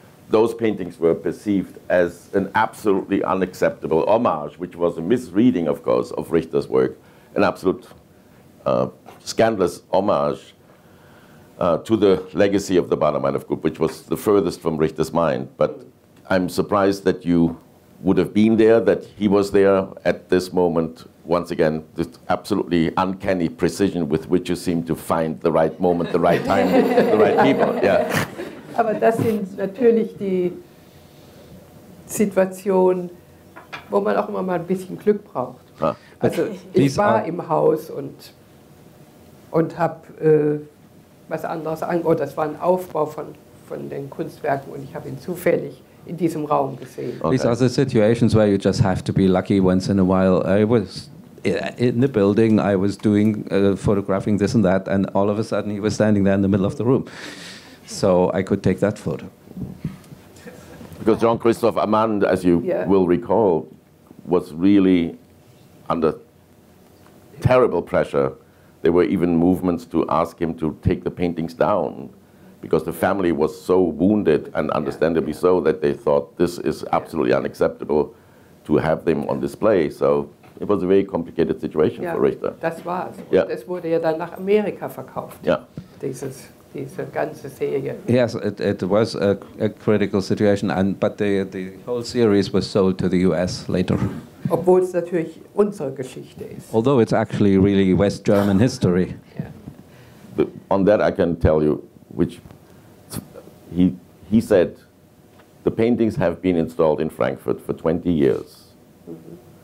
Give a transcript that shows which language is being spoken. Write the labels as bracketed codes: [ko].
[en] those paintings were perceived as an absolutely unacceptable homage, which was a misreading, of course, of Richter's work, an absolute scandalous homage to the legacy of the Bader-Meinhof group, which was the furthest from Richter's mind. But I'm surprised that you would have been there, that he was there at this moment, once again, this absolutely uncanny precision with which you seem to find the right moment, the right time, the right people. Yeah. [de] Aber das sind natürlich die Situationen, wo man auch immer mal ein bisschen Glück braucht. Ah. Also ich war im Haus und habe was anderes angehört. Das war ein Aufbau von den Kunstwerken und ich habe ihn zufällig in diesem Raum gesehen. [en] Okay. These are the situations where you just have to be lucky once in a while. I was in the building, I was doing photographing this and that, and all of a sudden he was standing there in the middle of the room. So I could take that photo. Because Jean-Christoph Amand, as you yeah. will recall, was really under terrible pressure. There were even movements to ask him to take the paintings down, because the family was so wounded, and understandably so, that they thought this is absolutely unacceptable to have them on display. So it was a very complicated situation for Richter. [de] Das war es. Yeah. Und es wurde ja dann nach Amerika verkauft, diese ganze Serie. [en] Yes, it was a critical situation, but the whole series was sold to the US later. [de] Obwohl es natürlich unsere Geschichte ist. [en] Although it's actually really West German history. Yeah. On that I can tell you, which he said, the paintings have been installed in Frankfurt for 20 years. Mm-hmm.